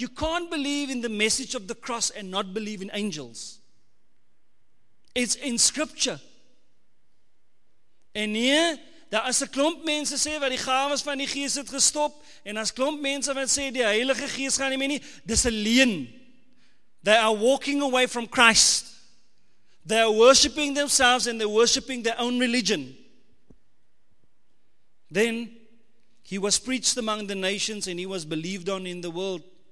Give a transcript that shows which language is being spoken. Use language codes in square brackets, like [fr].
[en] You can't believe in the message of the cross and not believe in angels. It's in scripture. [af] En nie, daar is 'n klomp mense sê wat die gawes van die gees het gestop, en as klomp mense wat sê die Heilige Gees gaan nie meer nie, dis 'n leuen. [en] They are walking away from Christ. They are worshipping themselves and they're worshipping their own religion. Then he was preached among the nations and he was believed on in the world.